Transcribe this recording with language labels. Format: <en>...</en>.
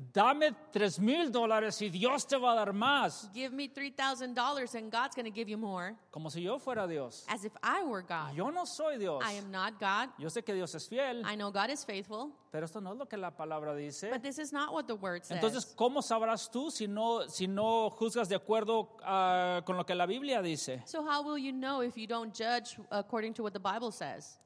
<es>Dame $3,000 y Dios te va a dar más.</es> <en>Give me $3,000 and God's going to give you more.</en> <es>Como si yo fuera Dios.</es> <en>As if I were God.</en> <es>Yo no soy Dios.</es> <en>I am not God.</en> <es>Yo sé que Dios es fiel.</es> <en>I know God is faithful.</en> <es>Pero esto no es lo que la palabra dice.</es> <en>But this is not what the word says.</en> <es>Entonces, ¿cómo sabrás tú si no juzgas de acuerdo con lo que la Biblia dice?</es> <en>So how will you know if you don't judge according to what the Bible says?</en>